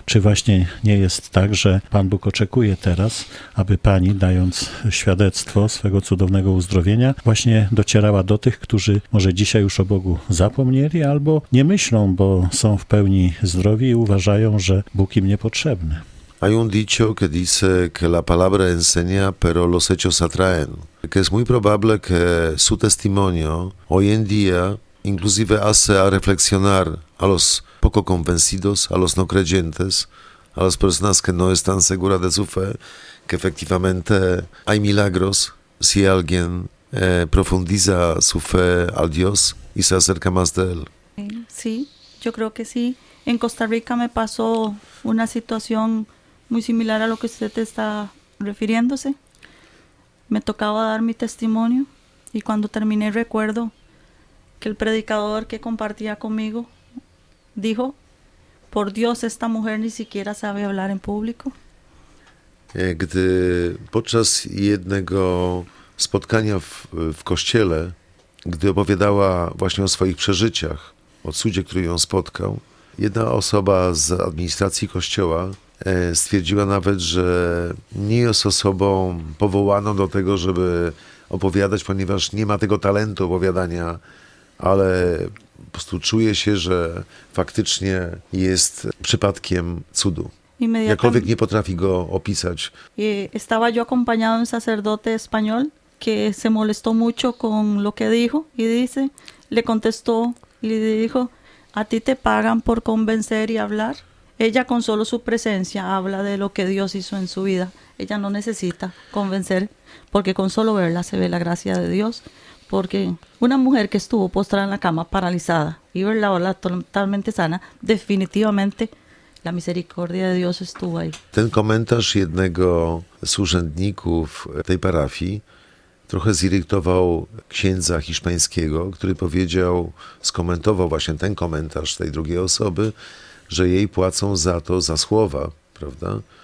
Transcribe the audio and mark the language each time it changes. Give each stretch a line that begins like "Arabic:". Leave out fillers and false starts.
Polish: Czy właśnie nie jest tak, że Pan Bóg oczekuje teraz, aby pani, dając świadectwo swego cudownego uzdrowienia, właśnie docierała do tych, którzy może dzisiaj już o Bogu zapomnieli albo nie myślą, bo są w pełni zdrowi i uważają, że Bóg im niepotrzebny.
Spanish: Hay un dicho que dice que la palabra enseña, pero los hechos atraen. Que es muy probable que su testimonio hoy en día inclusive hace a reflexionar a los poco convencidos, a los no creyentes, a las personas que no están seguras de su fe, que efectivamente hay milagros si alguien profundiza su fe al Dios y se acerca más de él. Sí, yo creo que sí. En Costa Rica me pasó una situación muy similar a lo que usted está refiriéndose. Me tocaba dar mi testimonio y cuando terminé recuerdo que el predicador que compartía conmigo dijo, por Dios, esta mujer ni siquiera sabe hablar en público.
Polish: Gdy podczas jednego spotkania w kościele, gdy opowiadała właśnie o swoich przeżyciach, o cudzie, który ją spotkał, jedna osoba z administracji kościoła stwierdziła nawet, że nie jest osobą powołaną do tego, żeby opowiadać, ponieważ nie ma tego talentu opowiadania, ale po prostu czuje się, że faktycznie jest przypadkiem cudu. Jakkolwiek nie potrafi go opisać.
Spanish: Estaba yo acompañado un sacerdote español que se molestó mucho con lo que dijo y dice, le contestó y le dijo, a ti te pagan por convencer y hablar. Ella con solo su presencia habla de lo que Dios hizo en su vida. Ella no necesita convencer porque con solo verla se ve la gracia de Dios. Porque una mujer que estuvo postrada en la cama paralizada y verla ahora totalmente sana, definitivamente la misericordia de Dios estuvo ahí.
Polish: Ten komentarz jednego z urzędników tej parafii trochę zirytował księdza hiszpańskiego, który powiedział, skomentował właśnie ten komentarz tej drugiej osoby, że jej płacą za to, za słowa, prawda?